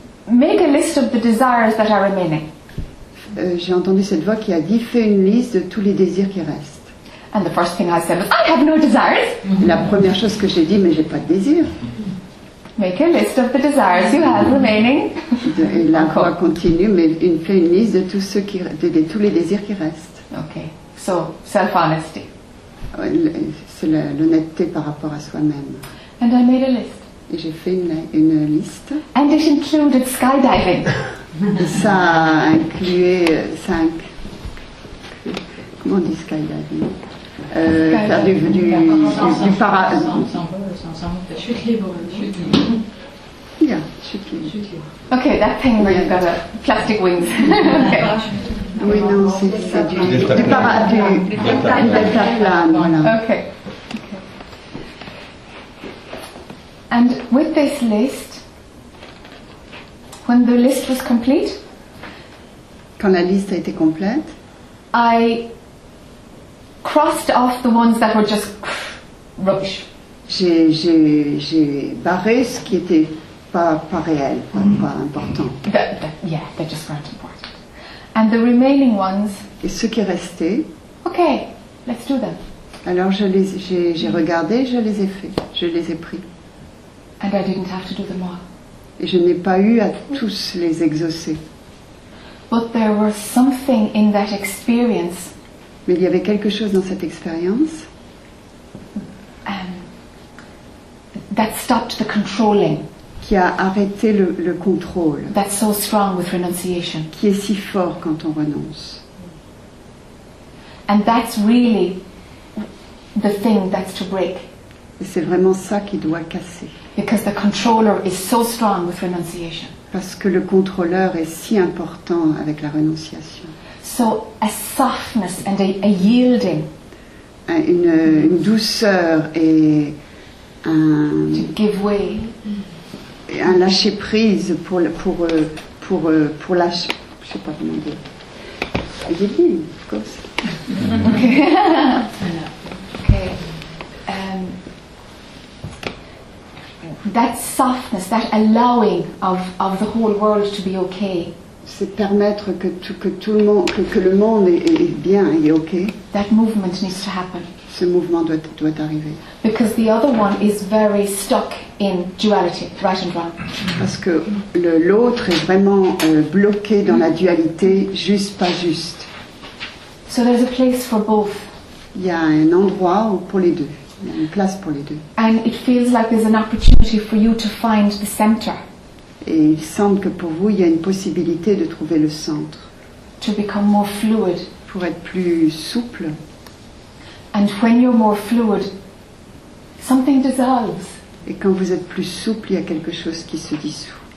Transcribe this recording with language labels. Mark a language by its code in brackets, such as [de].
[en] Make a list of the desires that are remaining. [fr] J'ai entendu cette voix qui a dit fais une liste de tous les désirs qui restent. [en] And the first thing I said was I have no desires. [fr] La première chose que j'ai dit mais j'ai pas de désirs. [en] Make a list of the desires you have remaining. [fr] Et la voix continue, mais fait une liste de tous ceux qui, de tous les désirs qui restent. [en] Okay, so self-honesty. [fr] C'est l'honnêteté par rapport à soi-même. [en] And I made a list. [fr] Et j'ai fait une liste. [en] And it included skydiving. [fr] Ça incluait cinq. Comment on dit skydiving? Faire du para. Chute libre. Chute libre. Yeah, chute libre. [en] Okay, that thing where you've got a plastic wings. Okay. [fr] Oui, non, c'est du para. Du delta plan, voilà. [en] Okay. And with this list, when the list was complete, [fr] quand la liste a été complète, [en] I crossed off the ones that were just rubbish. [fr] J'ai barré ce qui était pas réel, pas important. [en] They just weren't important. And the remaining ones. [fr] Et ceux qui restaient. [en] Okay, let's do them. [fr] Alors j'ai regardé, je les ai faits, je les ai pris. [en] And I didn't have to do them all. [fr] Et je n'ai pas eu à tous les exaucer. [en] But there was something in that experience. [fr] Mais il y avait quelque chose dans cette expérience. [en] That stopped the controlling. [fr] Qui a arrêté le contrôle. [en] That's so strong with renunciation. [fr] Qui est si fort quand on renonce. [en] And that's really the thing that's to break. [fr] Et c'est vraiment ça qui doit casser. [en] Because the controller is so strong with renunciation. [fr] Parce que le contrôleur est si important avec la renonciation. [en] So a softness and a yielding. [fr] Une douceur et [en] to give way. [fr] Un lâcher prise pour lâcher. Je sais pas comment dire. [en] A yielding, of course. That softness, that allowing of the whole world to be okay. [fr] C'est permettre que tout le monde que le monde est bien et est okay. [en] That movement needs to happen. [fr] Ce mouvement doit arriver. [en] Because the other one is very stuck in duality, right and wrong. [fr] Parce que l'autre est vraiment bloqué dans la dualité, juste pas juste. [en] So there's a place for both. [fr] Il y a un endroit pour les deux. Il y a une place pour les deux. [en] And it feels like there's an opportunity for you to find the center. [fr] Et il semble que pour vous, il y a une possibilité de trouver le centre. [en] To become more fluid. [fr] Pour être plus souple. [en] And when you're more fluid, something dissolves. [fr] Et quand vous êtes plus souple, il y a quelque chose qui se dissout.